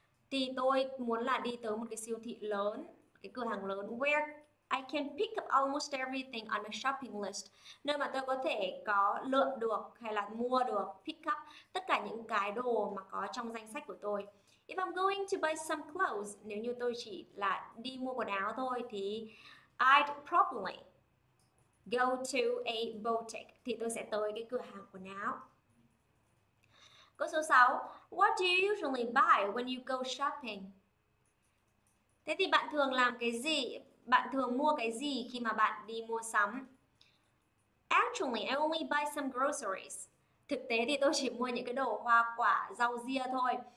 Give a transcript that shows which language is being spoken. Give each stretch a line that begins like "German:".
Vietnamese: Thì tôi muốn là đi tới một cái siêu thị lớn, cái cửa hàng lớn,
English: where I can pick up almost everything on a shopping list,
Vietnamese: nơi mà tôi có thể có lượm được hay là mua được,
English: pick up
Vietnamese: tất cả những cái đồ mà có trong danh sách của tôi.
English: If I'm going to buy some clothes,
Vietnamese: nếu như tôi chỉ là đi mua quần áo thôi, thì
English: I'd probably go to a boutique,
Vietnamese: thì tôi sẽ tới cái cửa hàng quần áo. Câu số 6,
English: what do you usually buy when you go shopping?
Vietnamese: Thế thì bạn thường làm cái gì? Bạn thường mua cái gì khi mà bạn đi mua sắm?
English: Actually, I only buy some groceries.
Vietnamese: Thực tế thì tôi chỉ mua những cái đồ hoa quả, rau dưa thôi.